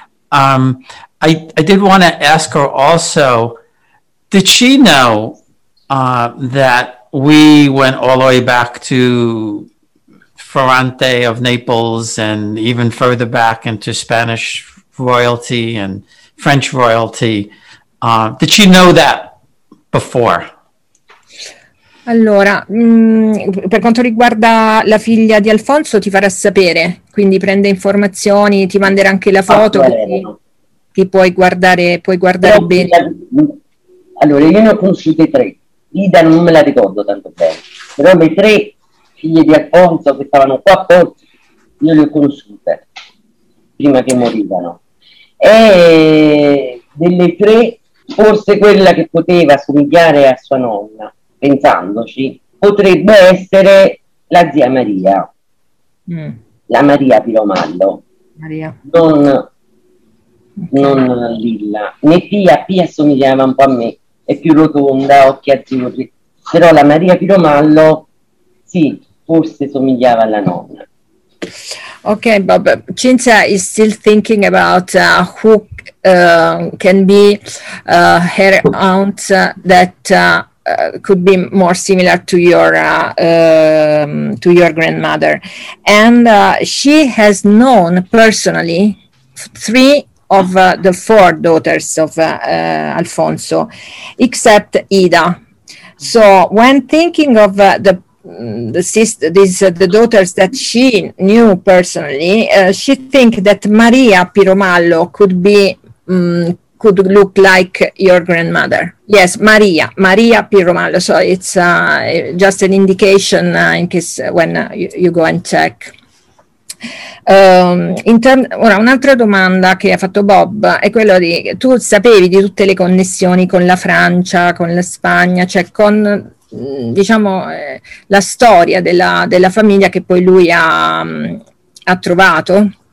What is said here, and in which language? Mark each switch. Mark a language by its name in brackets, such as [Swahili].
[English] I did want to ask her also, did she know that we went all the way back to Ferrante of Naples and even further back into Spanish royalty and French royalty. Did she know that before? [Italian] Allora, per quanto riguarda la figlia di Alfonso, ti farà sapere, quindi prende informazioni, ti manderà anche la foto, ti puoi guardare, però, bene. Allora, io ne ho conosciute 3. Ida non me la ricordo tanto bene, però le 3 figlie di Alfonso che stavano qua a Porto, io le ho conosciute prima che morivano. E delle 3, forse quella che poteva somigliare a sua nonna, pensandoci, potrebbe essere la zia Maria, la Maria Piromallo, Maria. Non Lilla, né Pia somigliava un po' a me. È più rotonda, occhi azzurri, però la Maria Piromallo sì, forse somigliava alla nonna. [English] Okay, Bob, Cinzia is still thinking about who can be her aunt that could be more similar to your grandmother, and she has known personally 3 of the 4 daughters of Alfonso, except Ida. So when thinking of the daughters that she knew personally, she think that Maria Piromallo could look like your grandmother. Yes, Maria Piromallo. So it's just an indication in case when you go and check. [Italian] Ora un'altra domanda che ha fatto Bob è quella di: tu sapevi di tutte le connessioni con la Francia, con la Spagna, cioè con diciamo, la storia della, della famiglia che poi lui ha, ha trovato?